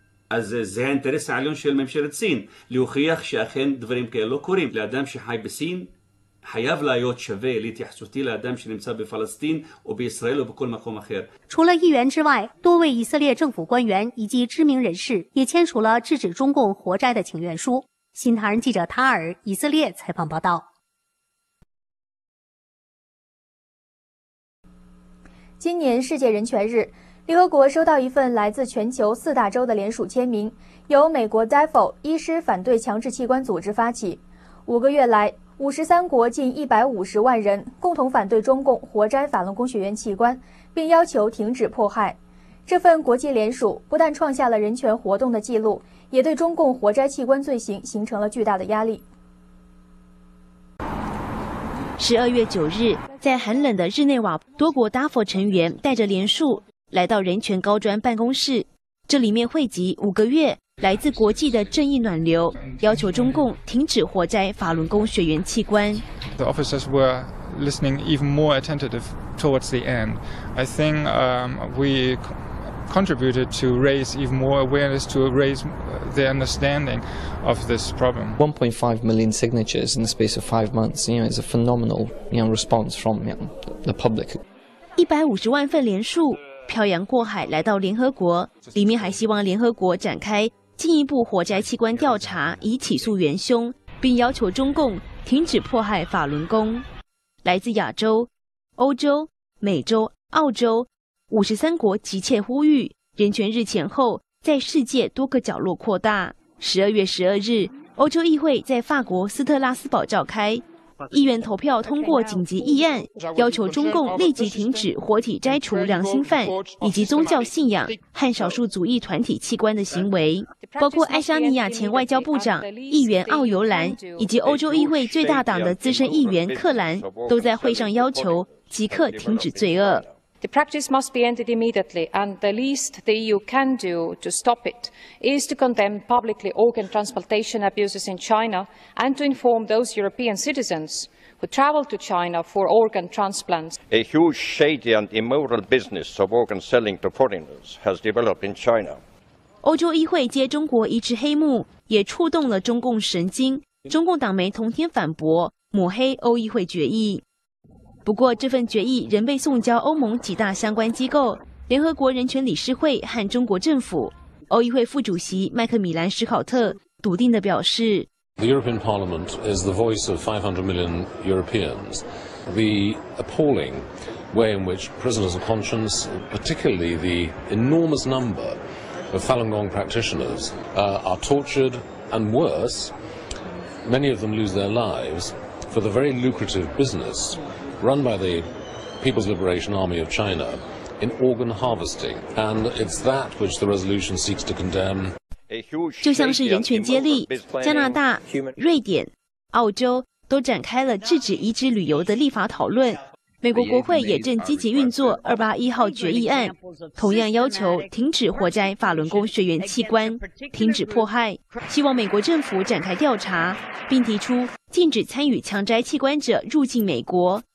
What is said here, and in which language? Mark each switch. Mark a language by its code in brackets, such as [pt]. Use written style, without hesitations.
[he] אז זה האינטרס העליון של ממשלת סין, להוכיח שאכן דברים כאלה לא קורים. לאדם שחי בסין, חייב להיות שווה להתייחסותי לאדם שנמצא בפלסטין או בישראל או בכל מקום אחר. [zh] 除了议员之外，多位以色列政府官员以及知名人士也签署了制止中共活摘的请愿书。新唐人记者塔尔，以色列采访报道。今年世界人权日，联合国收到一份来自全球四大洲的联署签名，由美国 DEFO 医师反对强制器官组织发起。五个月来，53国近150万人共同反对中共活摘法轮功学员器官，并要求停止迫害。这份国际联署不但创下了人权活动的记录，也对中共活摘器官罪行形成了巨大的压力。 12月9日，在寒冷的日内瓦，多国 DEFO 成员带着联署来到人权高专办公室，这里面汇集五个月来自国际的正义暖流，要求中共停止活摘法轮功学员器官。 [en] The officers were listening even more attentive towards the end. I think we contributed to raise even more awareness, to raise the understanding of this problem. 1.5 million signatures in the space of 5 months, you know, is a phenomenal, you know, response from, you know, the public. [zh] 150万份联署漂洋过海来到联合国，里面还希望联合国展开进一步活摘器官调查，以起诉元凶，并要求中共停止迫害法轮功。来自亚洲、欧洲、美洲、澳洲53国急切呼吁，人权日前后在世界多个角落扩大。 12月12日，欧洲议会在法国斯特拉斯堡召开，议员投票通过紧急议案，要求中共立即停止活体摘除良心犯以及宗教信仰和少数族裔团体器官的行为，包括爱沙尼亚前外交部长、议员奥尤兰以及欧洲议会最大党的资深议员克兰，都在会上要求即刻停止罪恶。 [en] The practice must be ended immediately, and the least the EU can do to stop it is to condemn publicly organ transplantation abuses in China and to inform those European citizens who travel to China for organ transplants. A huge, shady and immoral business of organ selling to foreigners has developed in China. [zh] 欧洲议会揭中国一纸黑幕，也触动了中共神经。中共党媒同天反驳，抹黑欧议会决议。不过这份决议仍被送交欧盟几大相关机构，联合国人权理事会和中国政府。欧议会副主席麦克米兰·史考特笃定地表示， [en] The European Parliament is the voice of 500 million Europeans. The appalling way in which prisoners of conscience, particularly the enormous number of Falun Gong practitioners, are tortured and worse, many of them lose their lives for the very lucrative businessrun by the People's Liberation Army of China in organ harvesting, and it's that which the resolution seeks to condemn. [zh] 就像是人权接力，加拿大、瑞典、澳洲都展开了制止移植旅游的立法讨论。美国国会也正积极运作281号决议案，同样要求停止活摘法轮功学员器官，停止迫害，希望美国政府展开调查，并提出禁止参与强摘器官者入境美国。